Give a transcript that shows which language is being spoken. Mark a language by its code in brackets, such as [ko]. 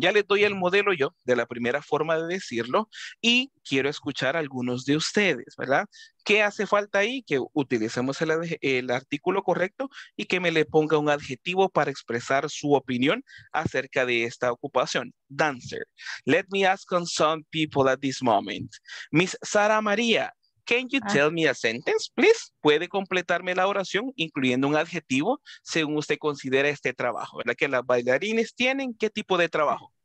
[es] Ya les doy el modelo yo de la primera forma de decirlo y quiero escuchar a algunos de ustedes, ¿verdad? ¿Qué hace falta ahí? Que utilicemos el artículo correcto y que me le ponga un adjetivo para expresar su opinión acerca de esta ocupación. [en] Dancer. Let me ask on some people at this moment. Miss Sara María. Can you tell me a sentence, please? [es] Puede completarme la oración incluyendo un adjetivo según usted considera este trabajo, ¿verdad? Que las bailarines tienen, ¿qué tipo de trabajo?